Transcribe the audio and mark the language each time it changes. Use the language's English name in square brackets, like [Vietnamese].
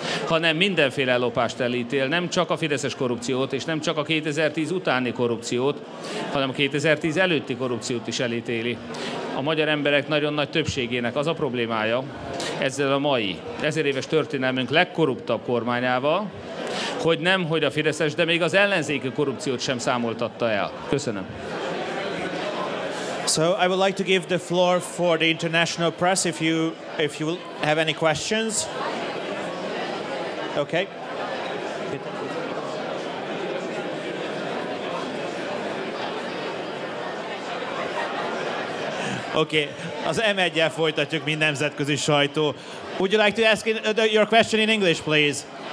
[Hungarian] hanem mindenféle lopást elítél, nem csak a fideszes korrupciót, és nem csak a 2010 utáni korrupciót, hanem a 2010 előtti korrupciót is elítéli. A magyar emberek nagyon nagy többségének az a problémája ezzel a mai, 1000 éves történelmünk legkorruptabb kormányával, hogy nem, hogy a fideszes, de még az ellenzéki korrupciót sem számoltatta el. Köszönöm. [English] So I would like to give the floor for the international press if you have any questions. Okay. [Hungarian] Okay, az M1-jel folytatjuk, mint nemzetközi sajtó. [English] Would you like to ask your question in English, please?